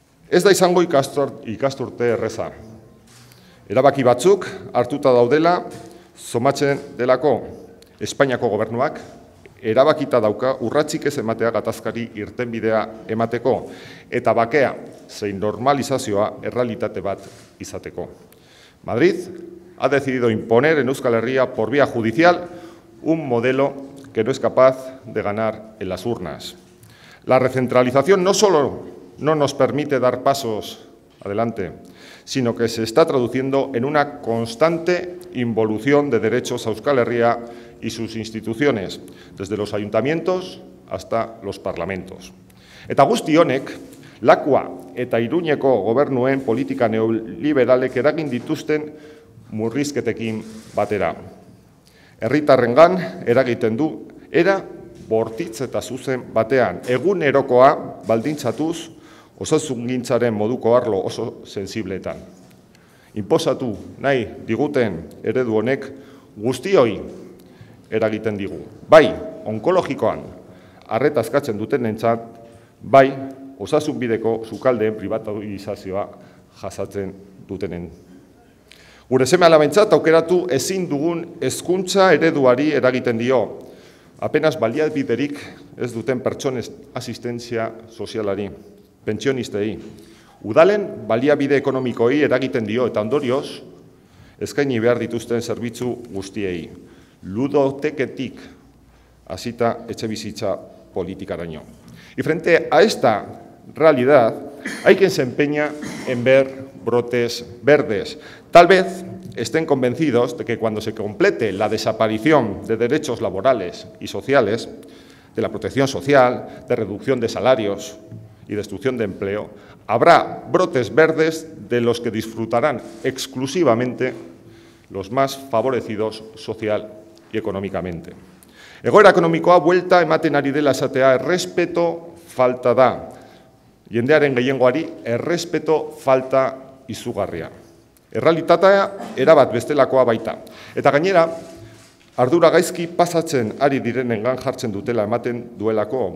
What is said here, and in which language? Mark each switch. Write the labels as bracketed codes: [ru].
[eu] Ez da izango ikasturte erreza. Erabaki batzuk hartuta daudela somatzen delako. Espainiako gobernuak erabakita dauka urratsik ez ematea gatazkari irtenbidea emateko eta bakea zein normalizazioa errealitate bat izateko. [es] Madrid ha decidido imponer en Euskal Herria por vía judicial un modelo que no es capaz de ganar en las urnas. La recentralización no solo no nos permite dar pasos adelante, sino que se está traduciendo en una constante involución de derechos a Euskal Herria y sus instituciones, desde los ayuntamientos hasta los parlamentos. [eu] Eta guzti honek, Lakua eta Iruñeko gobernuen politika neoliberalek eragin dituzten murrizketekin batera. Herritarrengan eragiten du era bortitz eta zuzen batean, egunerokoa baldintzatuz osasungintzaren moduko arlo oso sensibleetan. Inposatu nahi diguten eredu honek guztioi eragiten digu. Bai, onkologikoan arreta eskatzen duten entzat, bai, osasunbideko sukaldeen [es] privatizazioa [eu] jasatzen dutenen. Gure seme alabentzat aukeratu ezin dugun hezkuntza ereduari eragiten dio, apenas baliabiderik ez duten pertsonen asistentzia sozialari, pentsionistei. Udalen baliabide ekonomikoei eragiten dio eta ondorioz eskaini behar dituzten zerbitzu guztiei. Ludoteketik hasita etxe bizitza politikaraino. [es] Y frente a esta realidad, hay quien se empeña en ver brotes verdes. Tal vez estén convencidos de que cuando se complete la desaparición de derechos laborales y sociales, de la protección social, de reducción de salarios y destrucción de empleo, habrá brotes verdes de los que disfrutarán exclusivamente los más favorecidos social y económicamente. [eu] Egoera ekonomikoa buelta ematen ari dela esatea errespeto falta da. Jendearen gehiengoari errespeto falta izugarria. Errealitatea erabat bestelakoa baita. Eta gainera, ardura gaizki pasatzen ari direnengan jartzen dutela ematen duelako.